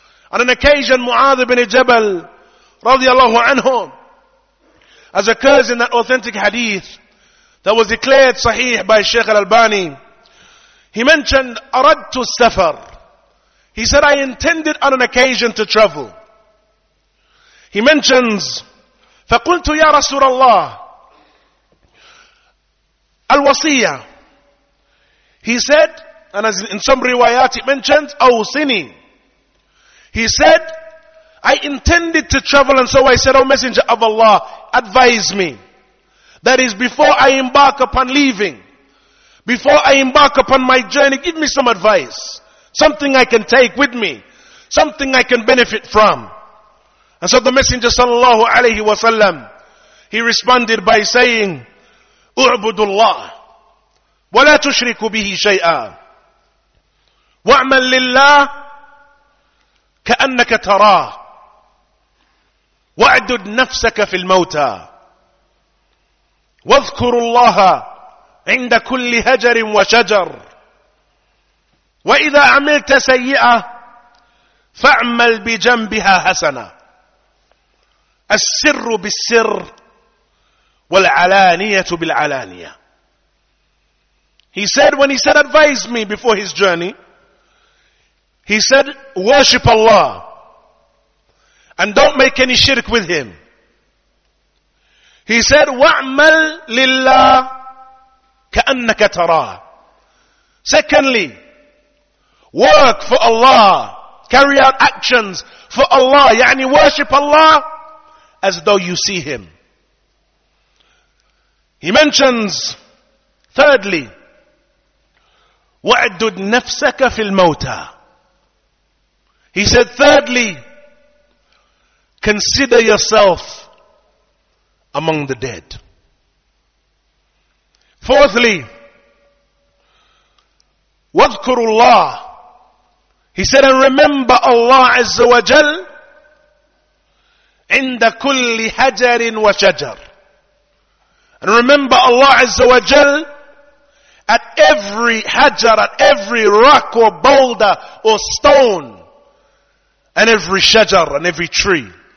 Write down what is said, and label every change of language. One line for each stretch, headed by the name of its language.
English: On an occasion, Mu'adh ibn Jabal radiallahu anhu, as occurs in that authentic hadith that was declared sahih by Shaykh al-Albani, he mentioned,
Arabic: أردت السفر.
English: He said, I intended on an occasion to travel. He mentions,
Arabic: فقلت يا رسول الله الوصية.
English: He said, and as in some riwayat it mentions,
Arabic: أوصني.
English: He said, I intended to travel, and so I said, O Messenger of Allah, advise me. That is, before I embark upon leaving, before I embark upon my journey, give me some advice. Something I can take with me. Something I can benefit from. And so the Messenger sallallahu alayhi wa sallam, he responded by saying,
Arabic: اُعْبُدُ اللَّهِ وَلَا تُشْرِكُ بِهِ شَيْئًا وَعْمَلْ لِلَّهِ كَأَنَّكَ تَرَاهِ وَعْدُدْ نَفْسَكَ فِي الْمَوْتَى وَذْكُرُ اللَّهَ عند كل هجر وشجر وإذا عملت سيئة فاعمل بجنبها حسنة السر بالسر والعلانية بالعلانية.
English: He said, when he said advise me before his journey, he said, worship Allah and don't make any shirk with him. He said,
Arabic: وَعْمَلْ لِلَّهِ كَأَنَّكَ تَرَى.
English: Secondly, work for Allah. Carry out actions for Allah. يعني worship Allah as though you see Him. He mentions, thirdly,
Arabic: وَعْدُدْ نَفْسَكَ فِي الْمَوْتَى.
English: He said, thirdly, consider yourself among the dead. Fourthly,
Arabic: وَذْكُرُ اللَّهِ.
English: He said, and remember Allah Azza wa Jal
Arabic: عِنْدَ كُلِّ حَجَرٍ وَشَجَرٍ.
English: And remember Allah Azza wa Jal at every hajar, at every rock or boulder or stone, and every shajar and every tree.